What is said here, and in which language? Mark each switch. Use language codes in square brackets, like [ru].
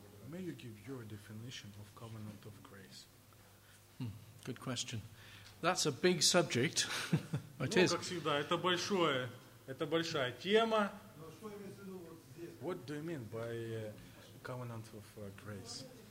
[en] May you give your definition of covenant of grace? Good question. That's a big subject. It is. [ru] Как всегда, это большое, это большая тема. [en] What do you mean by covenant of grace?